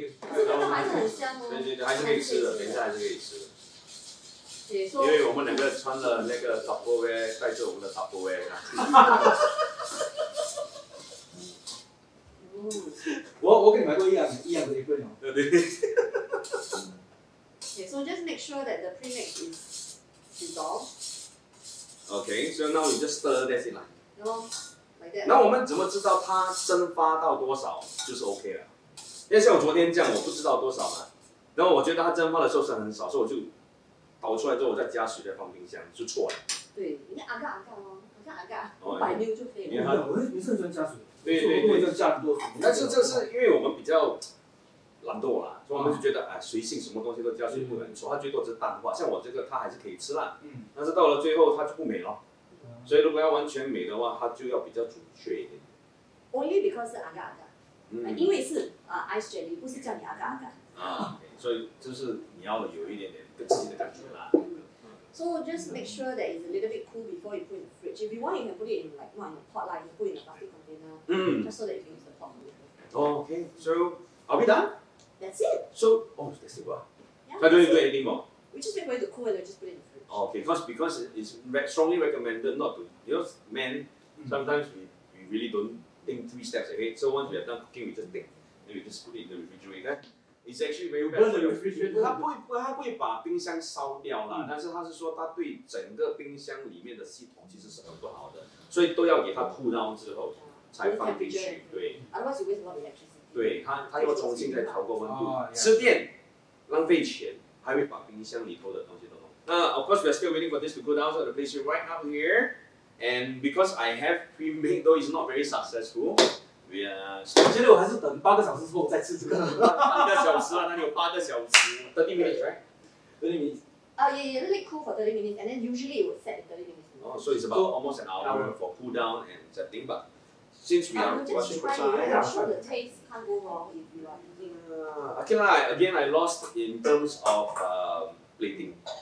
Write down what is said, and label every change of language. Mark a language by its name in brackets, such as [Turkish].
[Chinese] 以。这个还是很香哦。对，还是可以吃的，等一下还是可以吃的。说因为我们两个穿了那个 Tupperware， 带着我们的 Tupperware 啊。我跟你买过一样的一份哦。对对对。 [English] Okay, so just make sure that the premix is dissolved. Okay, so now you just stir that in. No, like that. [Chinese] 那我们怎么知道它蒸发到多少就是 OK 了？因为像我昨天这样，我不知道多少嘛。然后我觉得它蒸发的时候是很少，所以我就。倒出来之后，我再加水，再放冰箱，就错了。对，你阿嘎阿嘎哦，好像阿嘎，百牛就可以了。我是很喜欢加水，对对对，就加很多水。但是这是因为我们比较懒惰啦，所以我们就觉得哎，随性，什么东西都加水不能错，它最多是淡化。像我这个，它还是可以吃啦。嗯。但是到了最后，它就不美了。所以如果要完全美的话，它就要比较准确一点。 [English] Only because [Chinese] 是阿嘎阿嘎，因为是ice jelly， 不是叫你阿嘎阿嘎。啊，所以就是你要有一点点。自己的感觉啦。 [English] So just make sure that it's a little bit cool before you put in the fridge. If you want, you can put it in like one in a pot, like you put in a bucket container. Just so that you can use the pot. Okay. So are we done? That's it. So oh, that's it. Yeah. I don't need to do anything more. We just wait for it to cool and then just put it in the fridge. Okay. Because it's strongly recommended not to. You know, men sometimes we really don't think 3 steps ahead. So once we have done cooking, we just think, then we just put it in the refrigerator. It's actually very bad for your refrigerator. [Chinese] 它不会把冰箱烧掉了，但是它是说它对整个冰箱里面的系统其实是很不好的，所以都要给它 [English] cool down [Chinese] 之后才可以吃。 [English] Yeah, [Chinese] 才放进去，对。 [English] Otherwise, you waste a lot of electricity. [Chinese] 对，它又重新再调过温度，吃电，浪费钱，还会把冰箱里头的东西都弄。 [English] 那 of course, we are still waiting for this to cool down, so the place is right up here. And because I have pre-made, though it's not very successful, we are still... [Chinese] 我觉得我还是等八个小时之后再吃这个。半个小时啊，那里有八个小时。 [English] 30 minutes, right? 30 minutes. Yeah, let it cool for 30 minutes, and then usually it would set in 30 minutes. Oh, so it's about almost an hour for cool down and setting, but since we are going to try, I'm sure the taste can't go wrong if you are using... Okay, like, again, I lost in terms of plating.